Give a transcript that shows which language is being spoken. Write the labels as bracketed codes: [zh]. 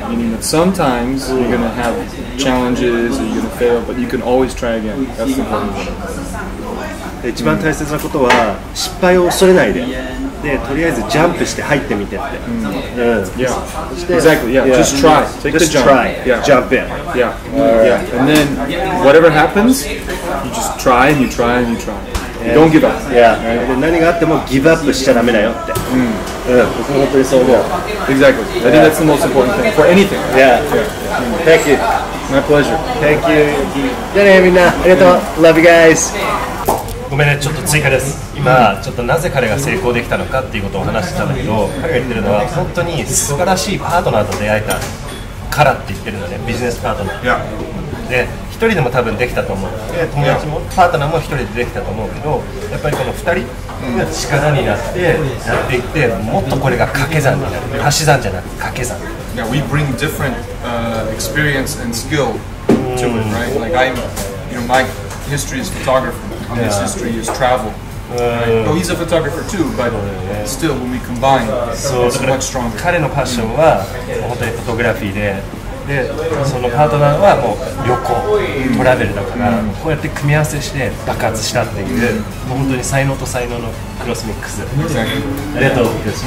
[en] Meaning that sometimes you're going to have challenges or you're going to fail, but you can always try again. That's the important thing. [ja] 一番大切なことは失敗を恐れないで。で、とりあえずジャンプして入ってみてって。 [en] Yeah. Exactly. Yeah. Just try. Take the jump. Just try. Yeah. Jump in. Yeah. And then whatever happens, you just try and you try and you try. You don't give up. Yeah. [ja] 何があってもギブアップしちゃダメだよって。僕も本当にそう思う。 [en] Exactly. I think that's the most important thing for anything. Yeah. Thank you. My pleasure. Thank you. [ja] じゃあね、みんな。ありがとう。 [en] Love you guys. [ja] ごめんね、ちょっと追加です。今、ちょっとなぜ彼が成功できたのかっていうことを話したんだけど、彼が言ってるのは、本当に素晴らしいパートナーと出会えたからって言ってるのね、ビジネスパートナー。 [en] Yeah. [ja] で、一人でも多分できたと思う。友達も、パートナーも一人でできたと思うけど、やっぱりこの二人が力になって、やっていって、もっとこれが掛け算になる。足し算じゃなくて掛け算。 [en] Yeah, we bring different experience and skill to it, right? Like, I'm, you know, my history is photographer. His history is travel. Right? He's a photographer too, but still, when we combine, it's much stronger. [ja] 彼のパッションは本当にフォトグラフィーで、で、そのパートナーはもう旅行、トラベルだから、こうやって組み合わせして爆発したっていう、もう本当に才能と才能のクロスミックス。 [en] Exactly. [ja] ありがとうございます。